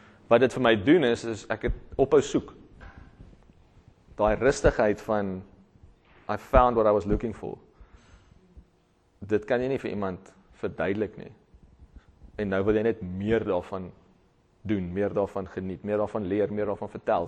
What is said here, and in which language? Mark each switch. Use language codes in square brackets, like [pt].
[af] Wat dit vir my doen is ek het ophou soek. Daai rustigheid van, [en] I found what I was looking for. [af] Dit kan jy nie vir iemand verduidelik nie. En nou wil jy net meer daarvan doen, meer daarvan geniet, meer daarvan leer, meer daarvan vertel.